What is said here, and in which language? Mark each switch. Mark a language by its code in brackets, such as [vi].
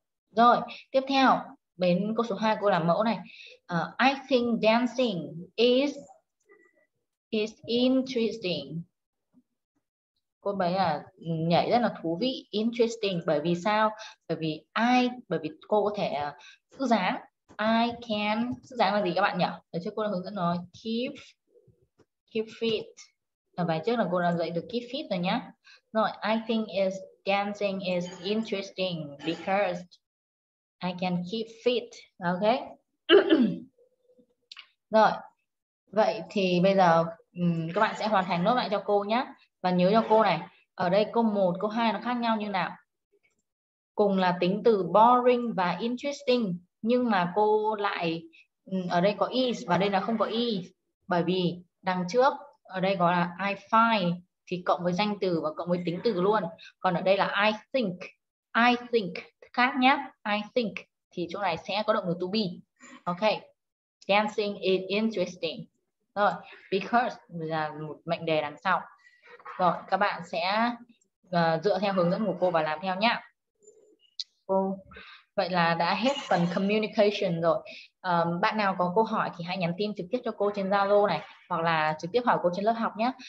[vi] Rồi, tiếp theo, bên câu số 2 cô làm mẫu này. [en] I think dancing is interesting. [vi] Cô bé là nhảy rất là thú vị, interesting. Bởi vì sao? Bởi vì cô có thể giữ dáng. I can, giữ dáng là gì các bạn nhỉ? Ở trước cô đã hướng dẫn rồi, keep fit. Ở bài trước là cô đã dạy được keep fit rồi nhá. [en] Rồi, dancing is interesting because I can keep fit. Ok. [vi] Rồi. Vậy thì bây giờ các bạn sẽ hoàn thành nốt lại cho cô nhé. Và nhớ cho cô này. Ở đây câu 1, câu 2 nó khác nhau như nào? Cùng là tính từ boring và interesting. Nhưng mà cô lại ở đây có is và đây là không có is. Bởi vì đằng trước ở đây gọi là I find thì cộng với danh từ và cộng với tính từ luôn. Còn ở đây là I think khác nhé. I think thì chỗ này sẽ có động từ to be. [en] Ok. Dancing is interesting. [vi] Rồi, because là một mệnh đề đằng sau. Rồi, các bạn sẽ dựa theo hướng dẫn của cô và làm theo nhé. Vậy là đã hết phần communication rồi. Bạn nào có câu hỏi thì hãy nhắn tin trực tiếp cho cô trên Zalo này hoặc là trực tiếp hỏi cô trên lớp học nhé.